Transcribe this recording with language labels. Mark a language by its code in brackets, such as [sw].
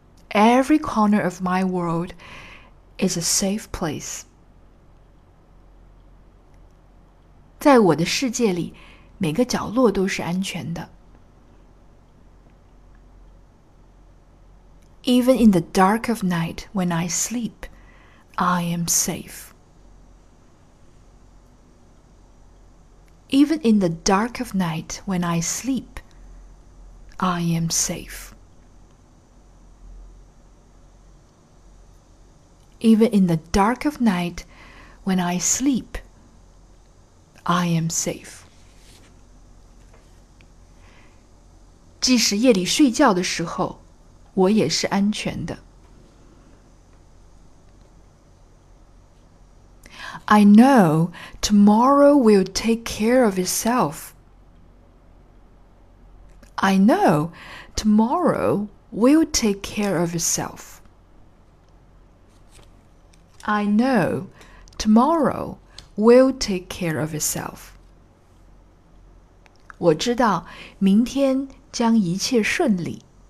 [en] Every corner of my world. It's a safe place. [zh] 在我的世界里，每个角落都是安全的。 [en] Even in the dark of night when I sleep, I am safe. Even in the dark of night when I sleep, I am safe. Even in the dark of night, when I sleep, I am safe. [zh] 即使夜里睡觉的时候，我也是安全的。 [en] I know tomorrow will take care of itself. I know tomorrow will take care of itself. I know tomorrow will take care of itself. [zh] 我知道明天将一切顺利。